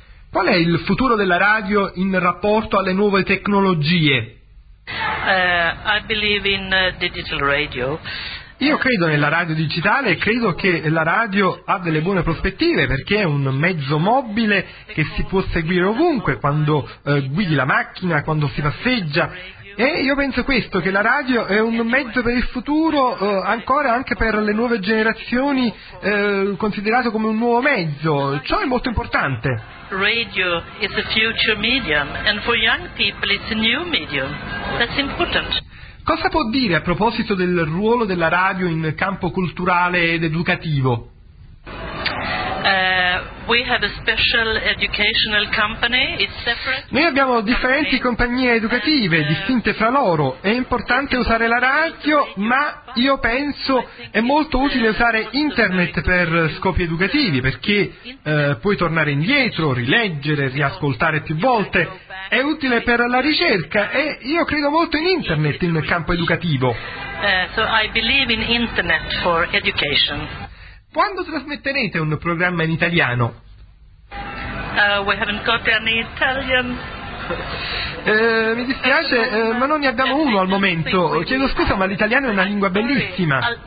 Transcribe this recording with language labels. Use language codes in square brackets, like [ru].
[it] Qual è il futuro della radio in rapporto alle nuove tecnologie? [en] I believe in digital radio. [it] Io credo nella radio digitale e credo che la radio ha delle buone prospettive, perché è un mezzo mobile che si può seguire ovunque, quando guidi la macchina, quando si passeggia. E io penso questo, che la radio è un mezzo per il futuro, ancora anche per le nuove generazioni, considerato come un nuovo mezzo. Ciò è molto importante. [en] Radio is a future medium, and for young people it's a new medium. That's important. [it] Cosa può dire a proposito del ruolo della radio in campo culturale ed educativo? [en] We have a special educational company. It's separate. [it] Noi abbiamo differenti compagnie educative, distinte fra loro. È importante usare la radio, ma io penso è molto utile usare internet per scopi educativi, perché puoi tornare indietro, rileggere, riascoltare più volte. È utile per la ricerca e io credo molto in internet in campo educativo. [en] So I believe in internet for education. [it] Quando trasmetterete un programma in italiano? [en] We haven't got any Italian. [it] Mi dispiace, ma non ne abbiamo uno al momento. Chiedo scusa, ma l'italiano è una lingua bellissima.